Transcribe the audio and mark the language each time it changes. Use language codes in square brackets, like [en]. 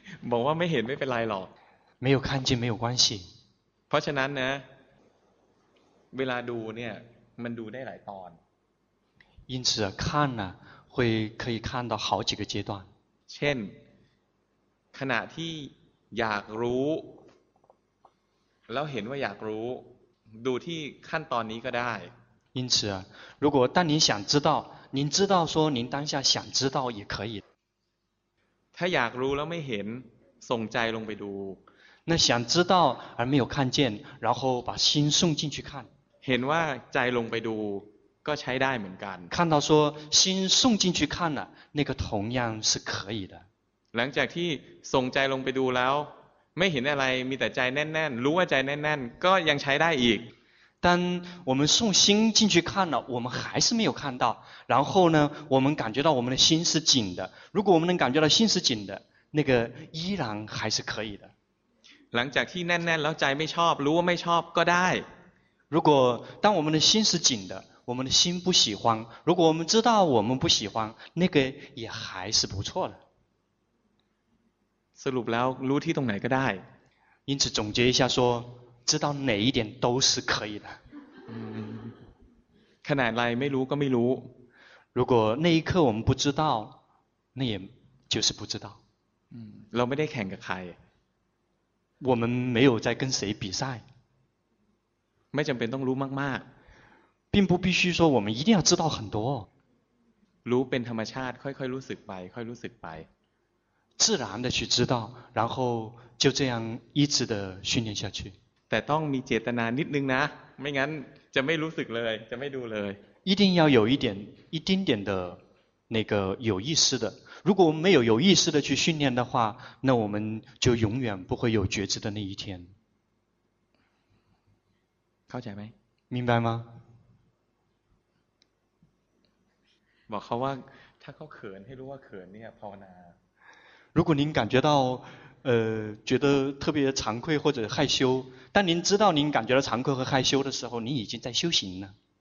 [th] บอกว่าไม่เห็นไม่เป็นไรหรอก [zh] 没有看见没有关系 [th] เพราะฉะนั้นนะเวลาดูเนี่ยมันดูได้หลายตอน [zh] 因此看呢会可以看到好几个阶段 [th] เช่นขณะที่อยากรู้แล้วเห็นว่าอยากรู้ดูที่ขั้นตอนนี้ก็ได้ [zh] 因此如果当您想知道您知道说您当下想知道也可以 [th] ถ้าอยากรู้แล้วไม่เห็นส่งใจลงไปดู [zh] 那想知道而没有看见然后把心送进去看 [th] เห็นว่าใจลงไปดูก็ใช้ได้เหมือนกัน [zh] 看到说心送进去看了那个同样是可以的 [th] หลังจากที่ส่งใจลงไปดูแล้วไม่เห็นอะไรมีแต่ใจแน่นๆรู้ว่าใจแน่นๆก็ยังใช้ได้อีก [zh] 当我们送心进去看了，我们还是没有看到，然后呢我们感觉到我们的心是紧的，如果我们能感觉到心是紧的，那个依然还是可以的。 [th] หลังจากที่แน่นๆแล้วใจไม่ชอบรู้ว่าไม่ชอบก็ได้ [zh] 如果当我们的心是紧的，我们的心不喜欢，如果我们知道我们不喜欢，那个也还是不错的。 [th] สรุปแล้วรู้ที่ตรงไหนก็ได้ [zh] 因此总结一下说，知道哪一点都是可以的。 [th] ขนาดไรไม่รู้ก็ไม่รู้ [zh] 如果那一刻我们不知道，那也就是不知道。 [th] เราไม่ได้แข่งกับใคร [zh] 我们没有在跟谁比赛。 [th] ไม่จำเป็นต้องรู้มากมาก [zh] 并不必须说我们一定要知道很多。 [th] รู้เป็นธรรมชาติค่อยๆรู้สึกไปค่อยรู้สึกไป [zh] 自然的去知道，然后就这样一直的训练下去。 [th] แต่ต้องมีเจตนานิดนึงนะไม่งั้นจะไม่รู้สึกเลยจะไม่ดูเลย [zh] 一定要有一丁点的那个有意识的，如果我们没有有意识的去训练的话，那我们就永远不会有觉知的那一天。 [th] เข้าใจไหม [zh] 明白吗？ [th] บอกเขาว่าถ้าเขาเขินให้รู้ว่าเขินเนี่ยภาวนา [zh] 如果您感觉到觉得特别惭愧或者害羞，当您知道您感觉到惭愧和害羞的时候，您已经在修行了。